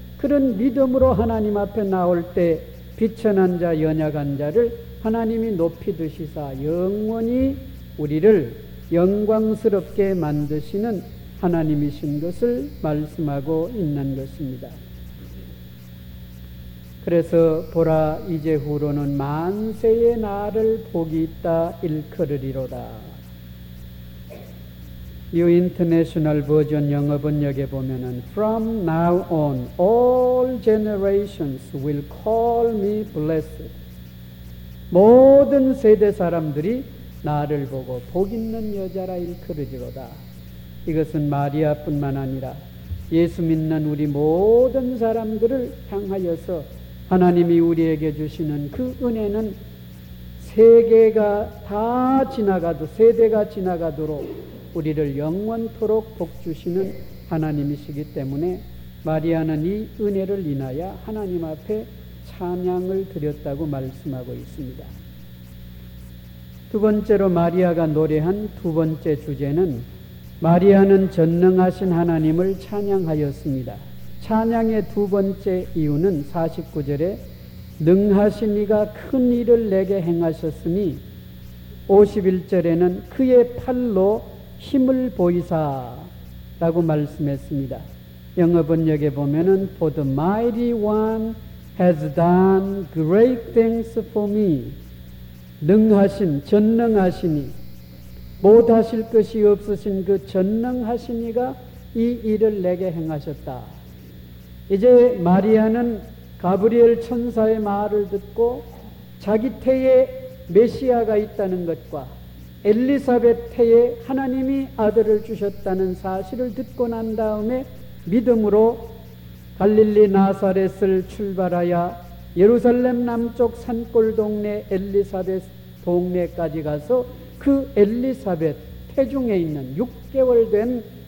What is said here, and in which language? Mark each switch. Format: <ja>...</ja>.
<ko>그런 믿음으로 하나님 앞에 나올 때 비천한 자, 연약한 자를 하나님이 높이 드시사 영원히 우리를 영광스럽게 만드시는 하나님이신 것을 말씀하고 있는 것입니다. 그래서 보라, 이제후로는 만세의 날을 복이 있다 일컬으리로다. 뉴 인터내셔널 버전 영어 번역에 보면은</ko> <en>From now on, all generations will call me blessed.</en> <ko>모든 세대 사람들이 나를 보고 복 있는 여자라 일컬으리로다. 이것은 마리아뿐만 아니라 예수 믿는 우리 모든 사람들을 향하여서 하나님이 우리에게 주시는 그 은혜는 세계가 다 지나가도 세대가 지나가도록 우리를 영원토록 복주시는 하나님이시기 때문에 마리아는 이 은혜를 인하여 하나님 앞에 찬양을 드렸다고 말씀하고 있습니다. 두 번째로 마리아가 노래한 두 번째 주제는 마리아는 전능하신 하나님을 찬양하였습니다. 찬양의 두 번째 이유는 49절에 능하신 이가 큰 일을 내게 행하셨으니 51절에는 그의 팔로 힘을 보이사 라고 말씀했습니다. 영어 번역에 보면은</ko> <en>For the mighty one has done great things for me.</en> <ko>능하신, 전능하시니 못하실 것이 없으신 그 전능하신 이가 이 일을 내게 행하셨다. 이제 마리아는 가브리엘 천사의 말을 듣고 자기 태에 메시아가 있다는 것과 엘리사벳 태에 하나님이 아들을 주셨다는 사실을 듣고 난 다음에 믿음으로 갈릴리 나사렛을 출발하여 예루살렘 남쪽 산골 동네 엘리사벳 동네까지 가서 그 엘리사벳 태 중에 있는 6개월 된</ko>